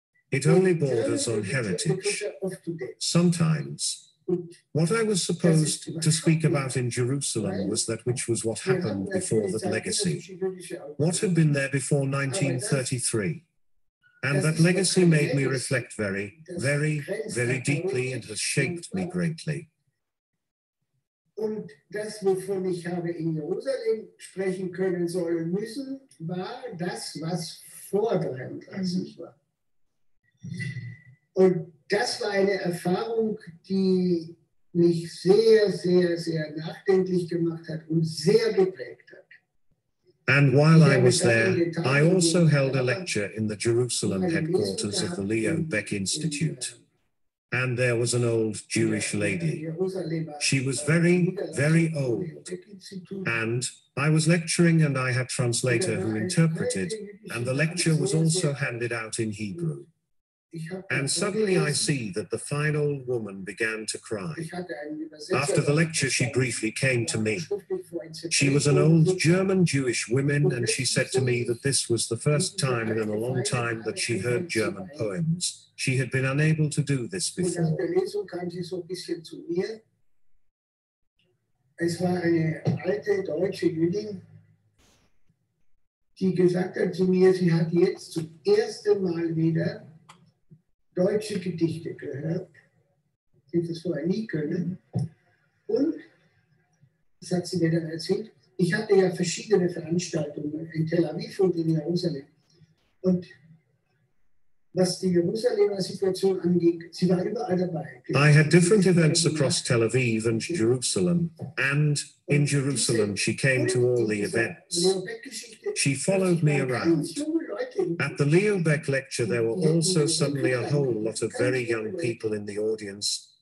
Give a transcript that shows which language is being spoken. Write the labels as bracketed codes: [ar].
[en] It only borders on heritage. Sometimes, what I was supposed to speak about in Jerusalem was that which was what happened before that legacy. What had been there before 1933? And that legacy made me reflect very, very, very deeply and has shaped me greatly. [de] Und das, wovon ich habe in Jerusalem sprechen können sollen müssen, war das, was vor 1933 war. Und das war eine Erfahrung, die mich sehr, sehr, sehr nachdenklich gemacht hat und sehr geprägt hat. [en] And while I was there, I also held a lecture in the Jerusalem headquarters of the Leo Beck Institute. And there was an old Jewish lady. She was very, very old. And I was lecturing and I had a translator who interpreted, and the lecture was also handed out in Hebrew. And suddenly I see that the fine old woman began to cry. After the lecture, she briefly came to me. She was an old German Jewish woman, and she said to me that this was the first time in a long time that she heard German poems. She had been unable to do this before. [de] Deutsche Gedichte gehört, die das vorher nie können. Und, das hat sie mir dann erzählt, ich hatte ja verschiedene Veranstaltungen in Tel Aviv und in Jerusalem. Und was die Jerusalemer Situation anging, sie war überall dabei. [en] I had different events across Tel Aviv and Jerusalem. And in Jerusalem, she came to all the events. She followed me around. At the Leo Beck lecture, there were also suddenly a whole lot of very young people in the audience.